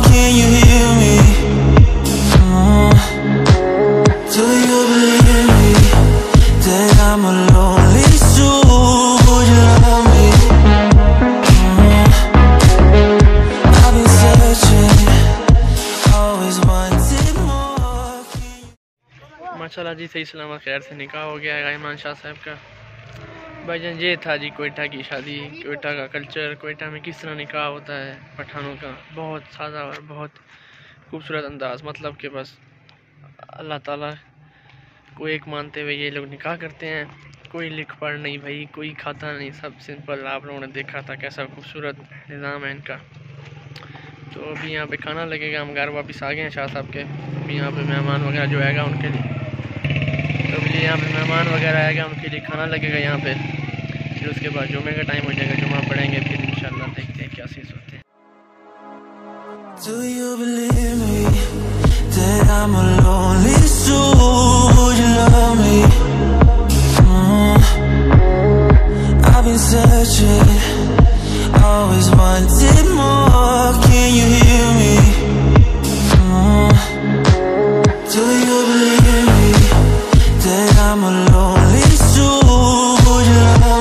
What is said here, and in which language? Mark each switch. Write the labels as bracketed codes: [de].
[en] Can you hear me? Do you believe me? That I'm a lonely soul. Would you love me? I've been searching, always wanted more. [ur] MashaAllah ji, sahi salamat khair se nikah ho gaya hai Iman Shah sahib ka. بھائی جان، یہ تھا جی کوئٹہ کی شادی، کوئٹہ کا culture, Quetta میں کس طرح نکاح ہوتا ہے پٹھانوں کا۔ بہت سادہ اور بہت خوبصورت انداز، مطلب کہ بس اللہ تعالیٰ کو ایک مانتے ہوئے یہ لوگ نکاح کرتے ہیں۔ کوئی لکھ پڑھ نہیں بھائی، کوئی کھاتا نہیں، سب سمپل۔ آپ لوگوں نے دیکھا تھا کیسا خوبصورت نظام ہے ان کا۔ تو ابھی یہاں پہ کھانا لگے گا، ہم گھر واپس آ گئے ہیں شاہ صاحب کے۔ ابھی یہاں پہ مہمان وغیرہ جو آئے گا ان کے لیے، یہاں پہ مہمان وغیرہ آئے گا ان کے لیے کھانا لگے گا یہاں پہ۔ پھر اس کے بعد جمعہ کا ٹائم ہو جائے گا، جمعہ پڑھیں گے، پھر انشاءاللہ دیکھتے ہیں کیا سیز ہوتے ہیں۔ [en] Do you believe me that I'm a lonely soul? Would you love me? I've been searching, always wanted more. Can you hear me? Do you believe me? I'm a lonely soul.